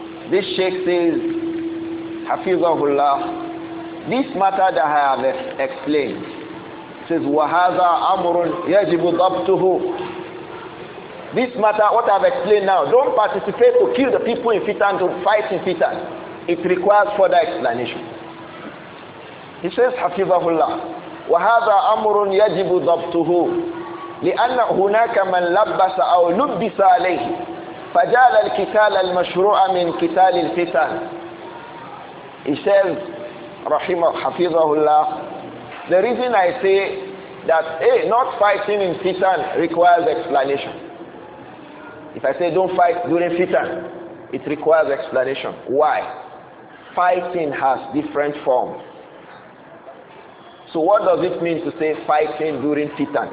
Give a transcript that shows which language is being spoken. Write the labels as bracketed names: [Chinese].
[English] This sheikh says, Hafizahullah, this matter that I have explained, says, [Arabic] وَهَذَا أَمْرٌ يَجِبُ ضَبْتُهُ. [English] This matter, what I've explained now, don't participate to kill the people in Fitan, to fight in Fitan. It requires further explanation. He says, Hafizahullah, [Arabic] وَهَذَا أَمْرٌ يَجِبُ ضَبْتُهُ لأن هناك من لبس أو لبس عليه فجعل القتال المشروع من قتال الفتن. [English] He says, [Arabic] رحمه حفظه الله, [English] the reason I say that not fighting in fitan requires explanation. If I say don't fight during fitan, it requires explanation. Why? Fighting has different forms. So what does it mean to say fighting during fitna?